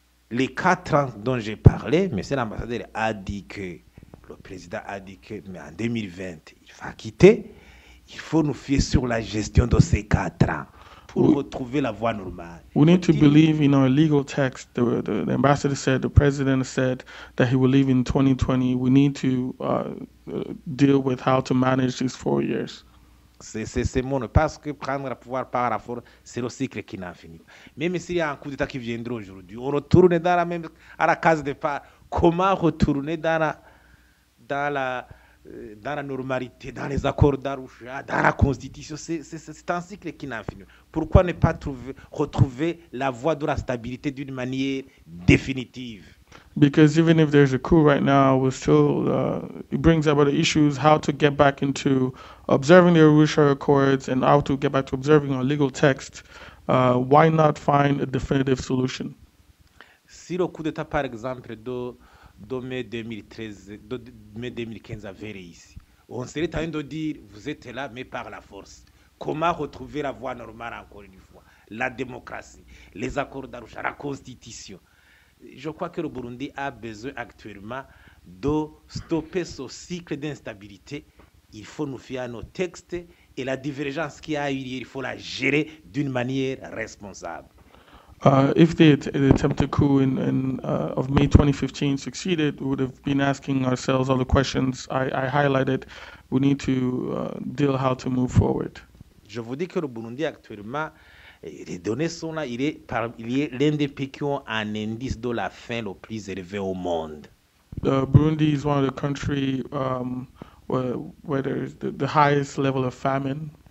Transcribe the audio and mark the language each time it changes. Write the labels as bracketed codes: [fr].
[fr] Les 4 ans dont j'ai parlé, monsieur l'ambassadeur a dit que, le président a dit que, mais en 2020, il va quitter. Il faut nous fier sur la gestion de ces 4 ans pour retrouver la voie normale. [en] We need to believe in our legal text. The ambassador said, the president said that he will leave in 2020. We need to deal with how to manage these 4 years. [fr] C'est mon, parce que prendre le pouvoir par la force, c'est le cycle qui n'en finit pas. Même s'il y a un coup d'état qui viendra aujourd'hui, on retourne dans la même, à la case de départ. Comment retourner dans la normalité, dans les accords d'Arusha, dans la constitution? C'est un cycle qui n'en finit pas. Pourquoi ne pas retrouver la voie de la stabilité d'une manière définitive? [en] Because even if there's a coup right now, we're still it brings about the issues how to get back into observing the Arusha Accords and how to get back to observing our legal text. Why not find a definitive solution? [fr] Si le coup d'état, par exemple, de mai 2013, de mai 2015 avait réussi, on serait en train de dire vous êtes là, mais par la force. Comment retrouver la voie normale encore une fois? La démocratie, les accords d'Arusha, la constitution. Je crois que le Burundi a besoin actuellement de stopper ce cycle d'instabilité. Il faut nous fier à nos textes et la divergence qui a eu lieu, il faut la gérer d'une manière responsable. [en] If the attempted coup of May 2015 succeeded, we would have been asking ourselves all the questions I highlighted. We need to deal how to move forward. [fr] Je vous dis que le Burundi actuellement, les données sont là, il est l'un des pays qui ont un indice de la faim le plus élevé au monde. [en] Burundi is one of the countries where there is the highest level of famine.